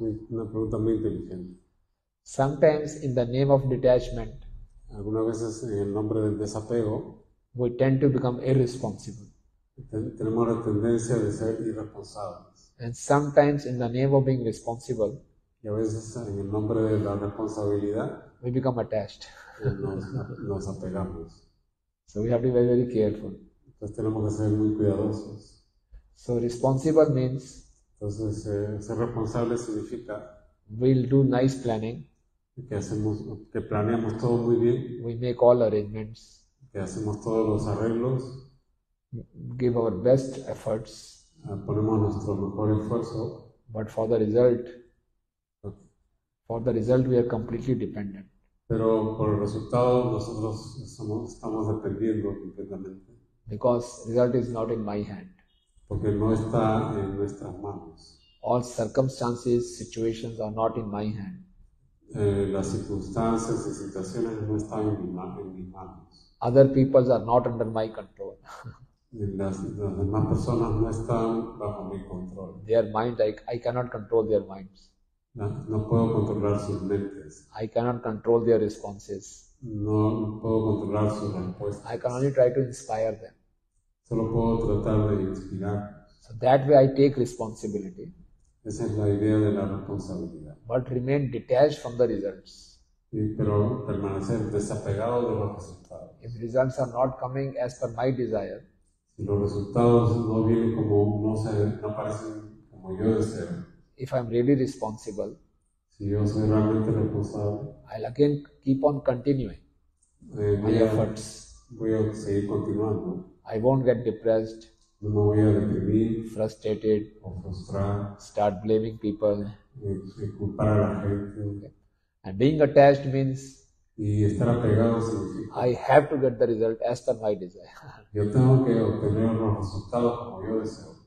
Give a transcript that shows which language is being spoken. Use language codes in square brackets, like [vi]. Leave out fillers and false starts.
[es] Una pregunta muy inteligente. [en] Sometimes in the name of detachment, [es] algunas veces en el nombre del desapego, [en] we tend to become irresponsible. [es] Tenemos la tendencia de ser irresponsables. [en] And sometimes in the name of being responsible, [es] y a veces en el nombre de la responsabilidad, [en] we become attached. [es] Nos apegamos. [en] So we have to be very, very careful. [es] Entonces tenemos que ser muy cuidadosos. [en] So responsible means, [es] entonces ser responsable significa, [en] we'll do nice planning, [es] que hacemos, que planeamos todo muy bien, [en] we make all arrangements, [es] que hacemos todos los arreglos, [en] give our best efforts, [es] ponemos nuestro mejor esfuerzo, [en] but for the result, for the result, we are completely dependent. [es] Pero por el resultado nosotros estamos dependiendo completamente. [en] Because result is not in my hand. [es] Porque no está en nuestras manos. [en] All circumstances, situations are not in my hand. [es] Las circunstancias y situaciones no están en mis manos. [en] Other people are not under my control. [es] las demás personas no están bajo mi control. [en] Their mind, I cannot control their minds. [es] No puedo controlar sus mentes. [en] I cannot control their responses. [es] No puedo controlar sus respuestas. [en] I can only try to inspire them. [es] Solo puedo tratar de inspirarlos. [en] So that way I take responsibility. [es] Esa es la idea de la responsabilidad. [en] But remain detached from the results. [es] Pero permanecer desapegado de los resultados. [en] If results are not coming as per my desire, [es] si los resultados no vienen como no se, no parecen como yo deseo, [en] if I'm really responsible, [es] si yo soy realmente responsable, [en] I'll again keep on continuing my efforts. [es] Voy a seguir continuando. [en] I won't get depressed, [es] no me voy a deprimir, [en] frustrated, [es] o frustrar, [en] start blaming people. [es] Y culpar a la gente. Okay. [en] And being attached means, [es] y estar apegado significa, [en] I have to get the result as per my desire. [es] Yo tengo que obtener los resultados como yo deseo.